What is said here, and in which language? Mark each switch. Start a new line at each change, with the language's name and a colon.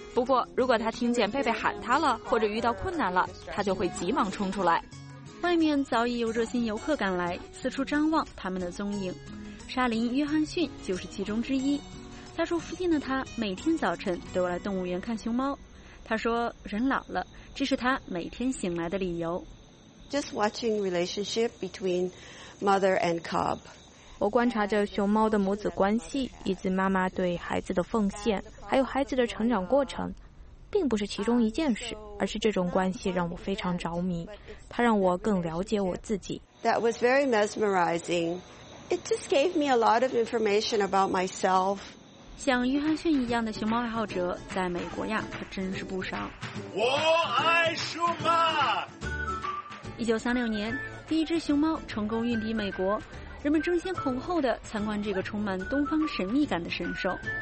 Chinese: 不过如果她听见贝贝喊她了，或者遇到困难了，她就会急忙冲出来。外面早已有热心游客赶来，四处张望他们的踪影，沙林约翰逊就是其中之一。家住附近的他每天早晨都要来动物园看熊猫，他说人老了，这是他每天醒来的理由。
English: Just watching relationship between mother and cub.
Chinese: 我观察着熊猫的母子关系，以及妈妈对孩子的奉献，还有孩子的成长过程，并不是其中一件事，而是这种关系让我非常着迷，它让我更了解我自己。
English: That was very mesmerizing. It just gave me a lot of information about myself.
Chinese: 像约翰逊一样的熊猫爱好者在美国呀可真是不少。我爱熊猫。 1936年，第一只熊猫成功运抵美国，人们争先恐后地参观这个充满东方神秘感的神兽。